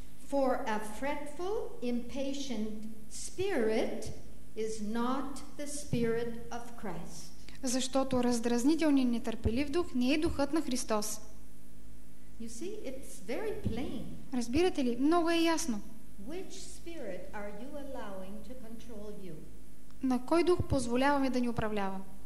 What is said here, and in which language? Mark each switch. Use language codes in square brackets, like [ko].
[en] For a fretful, impatient spirit is not the spirit of Christ. [bg] Защото раздразнителни и нетърпелив дух не е духът на Христос. [en] You see, it's very plain. [bg] Разбирате ли? Много е ясно. [en] Which spirit are you allowing to control you? [bg] На кой дух позволяваме да ни управлява?